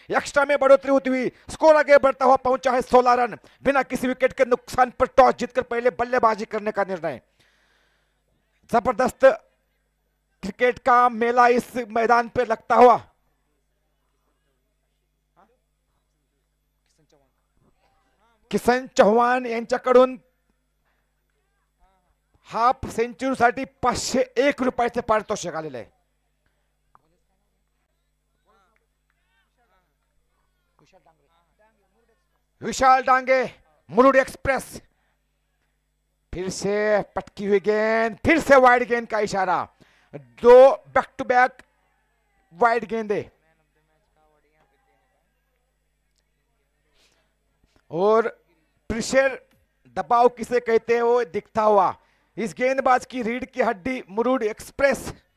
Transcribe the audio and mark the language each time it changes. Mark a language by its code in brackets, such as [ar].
[hi] Extra में बढ़ोतरी होती हुई स्कोर आगे बढ़ता हुआ पहुंचा है 16 रन बिना किसी विकेट के नुकसान पर टॉस जीतकर पहले बल्लेबाजी करने का निर्णय. जबरदस्त क्रिकेट का मेला इस मैदान पर लगता हुआ. [mr] किशन चौहान यांच्याकडून हाफ सेंचुरी साठी 501 रुपयाचे पारितोषिक आलेले विशाल डांगे मुरुड एक्सप्रेस. [hi] फिर से पटकी हुई गेंद, फिर से वाइड गेंद का इशारा, दो बैक टू बैक वाइड गेंदे और प्रेशर दबाव किसे कहते हैं वो दिखता हुआ इस गेंदबाज की रीढ़ की हड्डी मुरुड एक्सप्रेस.